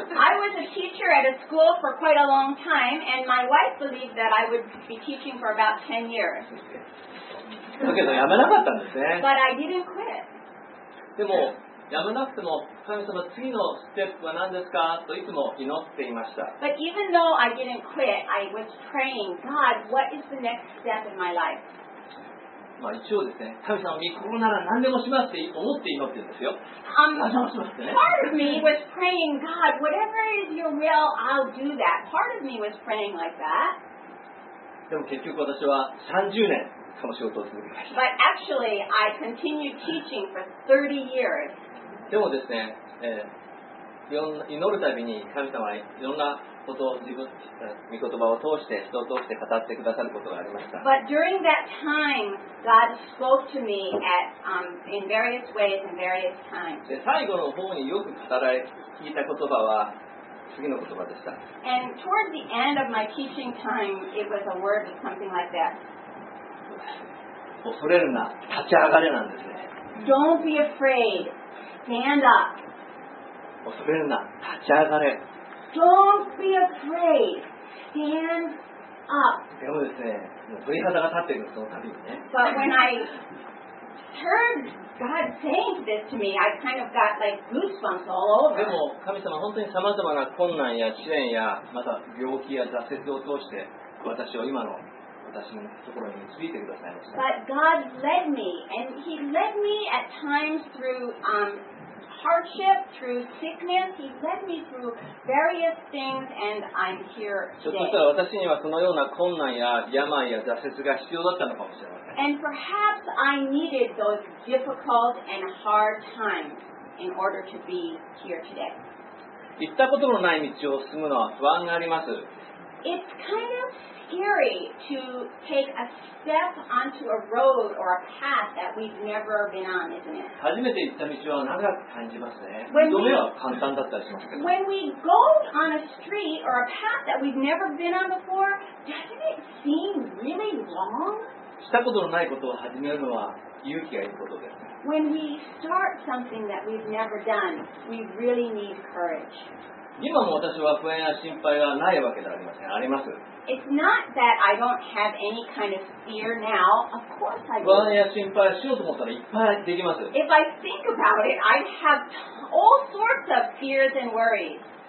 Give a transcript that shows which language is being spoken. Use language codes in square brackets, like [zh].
[en] I was a teacher at a school for quite a long time, and my wife believed that I would be teaching for about 10 years. [ja] だけど辞めなかったんですね。 [en] But I didn't quit. [ja] でも、やむなくても神様次のステップは何ですかといつも祈っていました。 [en] But even though I didn't quit, I was praying, God, what is the next step in my life? [ja] まあ一応ですね、神様御心なら何でもしますって思って祈ってるんですよ。 [en] Part of me was praying, God, whatever is your will, I'll do that. Part of me was praying like that. [ja] でも結局私は30年この仕事を続けました。 [en] But actually, I continued teaching for 30 years. [ja] でもですね、祈るたびに神様はいろんなことを自分御言葉を通して人を通して語ってくださることがありました。 [en] But during that time, God spoke to me at, in various ways and various times. [ja] で最後の方によく語られ聞いた言葉は、次の言葉でした。 [en] And towards the end of my teaching time, it was a word of something like that. [ja] 恐れるな、立ち上がれなんですね。 [en] Don't be afraid. Stand up. [ja] 恐れるな、立ち上がれ。 [en] Don't be afraid. Stand up. [ja] でもですね、もう鳥肌が立っているその度にね。 [en] But when I heard God saying this to me, I kind of got like goosebumps all over. [ja] でも神様本当にさまざまな困難や試練やまた病気や挫折を通して私を今の私のところに導いてくださいました。 [en] But God led me, and He led me at times through hardship, through sickness. He led me through various things, and I'm here today. [ja] そしたら私にはそのような困難や病や挫折が必要だったのかもしれません。 [en] And perhaps I needed those difficult and hard times in order to be here today. [ja] 行ったことのない道を進むのは不安があります。 [en] It's kind of scary to take a step onto a road or a path that we've never been on, isn't it? [ja] 初めて行った道は長く感じますね。2度目は簡単だったりしますけど。 [en] When we go on a street or a path that we've never been on before, doesn't it seem really long? [ja] したことのないことを始めるのは勇気がいることです。 [en] When we start something that we've never done, we really need courage. [ja] 今も私は不安や心配はないわけではありません。あります。 [en] It's not that I don't have any kind of fear now. Of course I do. [ja] 不安や心配しようと思ったらいっぱいできます。 [en] If I think about it, I have all sorts of fears and worries.